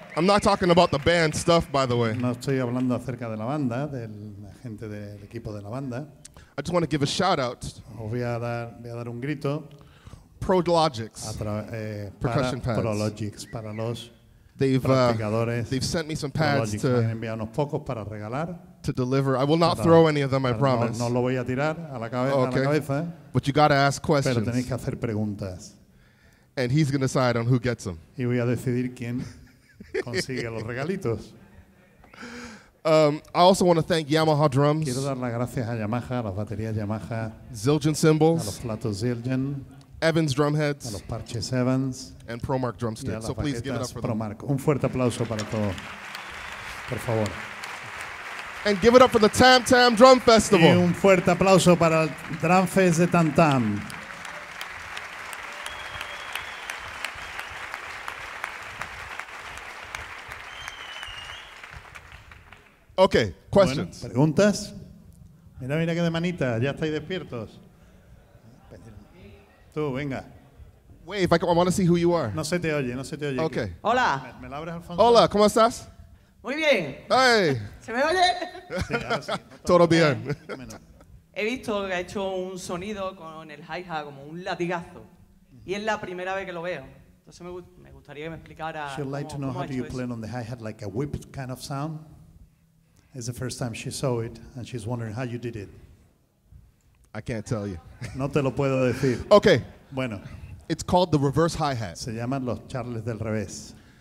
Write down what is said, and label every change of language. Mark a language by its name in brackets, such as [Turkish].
[English] I'm not talking about the band stuff, by the way. [Spanish] No estoy hablando acerca de la banda, del gente del equipo de la banda. [English] I just want to give a shout out. [Spanish] Voy a dar un grito. [English] Prologics. Percussion pads. [Spanish] Prologics para los practicadores. [English] They've sent me some pads to. [Spanish] Me han enviado unos pocos para regalar. [English] To deliver. I will not throw any of them. I promise. [Spanish] No lo voy a tirar a la cabeza. [English] Okay. [Spanish] A la cabeza. [English] But you got to ask questions. [Spanish] Pero tenéis que hacer preguntas. [English] And he's going to decide on who gets them. [Spanish] Y voy a decidir quién consigue los regalitos. [English] I also want to thank Yamaha drums. [Spanish] Quiero dar las gracias a Yamaha, a las baterías Yamaha. [English] Zildjian cymbals. [Spanish] A los platos Zildjian. [English] Evans drumheads. [Spanish] A los parches Evans. [English] And Promark drumsticks. So please give it up for Promark. Them. [Spanish] Un fuerte aplauso para todos, por favor. [English] And give it up for the Tam Tam Drum Festival. [Spanish] Y un fuerte aplauso para el Drum Fest de Tam Tam. [English] Okay, questions. [Spanish] Bueno, preguntas. Mira, mira qué de manita. Ya estáis despiertos. Tú, venga. [English] Wait, if I want to see who you are. [Spanish] No se te oye, no se te oye. [English] Okay. [Spanish] Aquí. Hola. ¿Me la abres, Alfonso? Hola, ¿cómo estás? Muy bien. [English] Hey. [Spanish] ¿Se me oye? Sí, ahora sí. Todo bien. He visto que ha hecho un sonido con el hi-hat como un latigazo. Y es la primera vez que lo veo. Entonces me gustaría que me explicara. [English] She'd like to know how do you play on the hi-hat, like a whip kind of sound. It's the first time she saw it, and she's wondering how you did it. I can't tell you. [Spanish] No te lo puedo decir. [English] Okay. [Spanish] Bueno. [English] It's called the reverse hi-hat. [Spanish] Se llaman los charles del revés.